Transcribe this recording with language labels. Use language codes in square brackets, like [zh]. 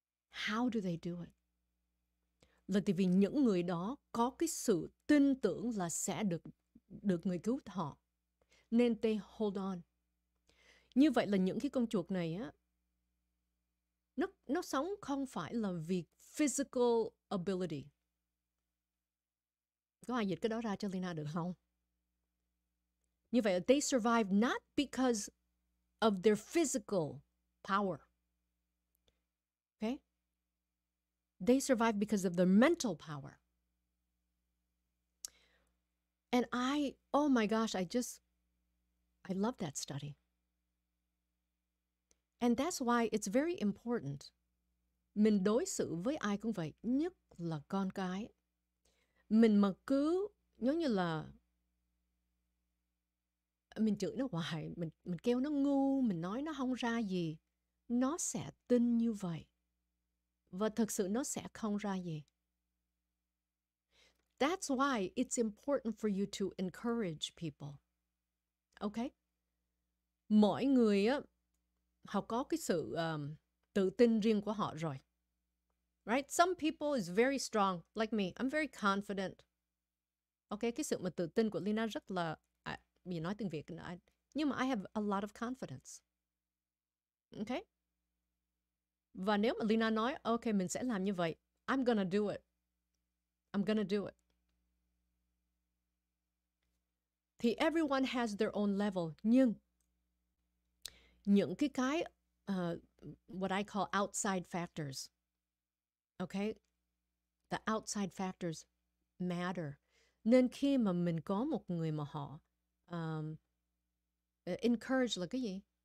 [en] How do they do it? [vi] Là tại vì những người đó có cái sự tin tưởng là sẽ được người cứu họ. Nên [en] they hold on. [vi] Như vậy là những cái con chuột này á, nó sống không phải là vì [en] physical ability. [vi] Có ai dịch cái đó ra cho Lina được không? Như vậy là [en] they survive not because of their physical power. Okay? They survive because of their mental power. And I love that study. And that's why it's very important. [vi] Mình đối xử với ai cũng vậy, nhất là con cái. Mình mà cứ giống như là mình chửi nó hoài, mình kêu nó ngu, mình nói nó không ra gì, nó sẽ tin như vậy. Và thực sự nó sẽ không ra gì. [en] That's why it's important for you to encourage people. Okay? [vi] Mỗi người á, họ có cái sự tự tin riêng của họ rồi. Right? [en] Some people is very strong, like me. I'm very confident. [vi] Okay, cái sự mà tự tin của Lina rất là... Mình nói tiếng Việt. Nhưng mà [en] I have a lot of confidence. Okay? [vi] Và nếu mà Lina nói, okay, mình sẽ làm như vậy, [en] I'm gonna do it. I'm gonna do it. Thì everyone has their own level. [vi] Nhưng những cái [en] what I call outside factors. Okay? The outside factors matter. [vi] Nên khi mà mình có một người mà họ encourage là cái gì?